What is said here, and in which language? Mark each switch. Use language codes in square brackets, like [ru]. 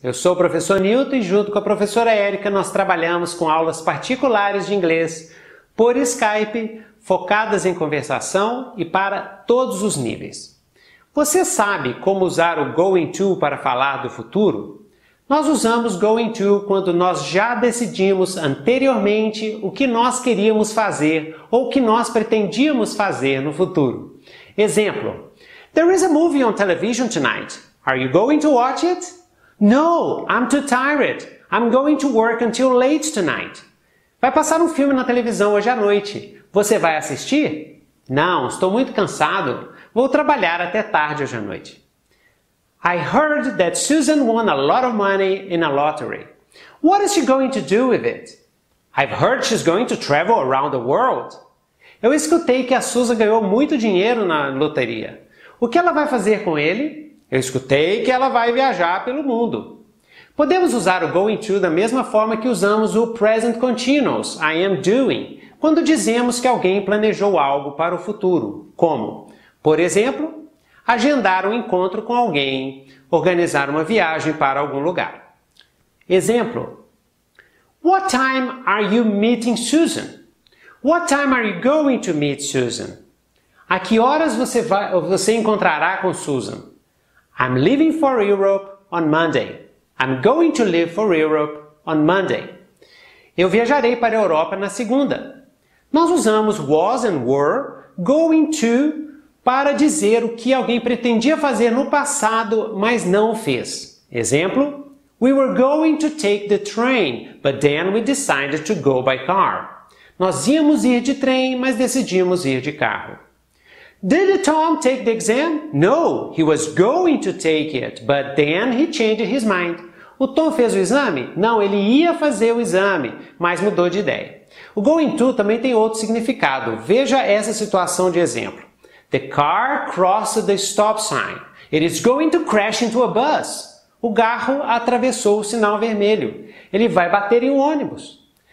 [pt] Eu sou o professor Newton e junto com a professora Erika nós trabalhamos com aulas particulares de inglês por Skype, focadas em conversação e para todos os níveis. Você sabe como usar o going to para falar do futuro? Nós usamos going to quando nós já decidimos anteriormente o que nós queríamos fazer ou o que nós pretendíamos fazer no futuro. [en] Exemplo: There is a movie on television tonight. Are you going to watch it? No, I'm too tired. I'm going to work until late tonight. [pt] Vai passar um filme na televisão hoje à noite. Você vai assistir? Não, estou muito cansado. Vou trabalhar até tarde hoje à noite. [en] I heard that Susan won a lot of money in a lottery. What is she going to do with it? I've heard she's going to travel around the world. [pt] Eu escutei que a Susan ganhou muito dinheiro na loteria. O que ela vai fazer com ele? Eu escutei que ela vai viajar pelo mundo. Podemos usar o going to da mesma forma que usamos o present continuous, [en] I am doing, [pt] quando dizemos que alguém planejou algo para o futuro. Como? Por exemplo, agendar um encontro com alguém, organizar uma viagem para algum lugar. [en] Exemplo: What time are you meeting Susan? What time are you going to meet Susan? [pt] A que horas você encontrará com Susan? [en] I'm leaving for Europe on Monday. I'm going to leave for Europe on Monday. [pt] Eu viajarei para a Europa na segunda. Nós usamos was and were, going to, para dizer o que alguém pretendia fazer no passado, mas não fez. [en] Exemplo: We were going to take the train, but then we decided to go by car. [pt] Nós íamos ir de trem, mas decidimos ir de carro. [en] Did Tom take the exam? No, he was going to take it, but then he changed his mind. [pt] O Tom fez o exame? Não, ele ia fazer o exame, mas mudou de ideia. O going to também tem outro significado. Veja essa situação de exemplo. [en] The car crossed the stop sign. It is going to crash into a bus. [pt] O carro atravessou o sinal vermelho. Ele vai bater em um ônibus.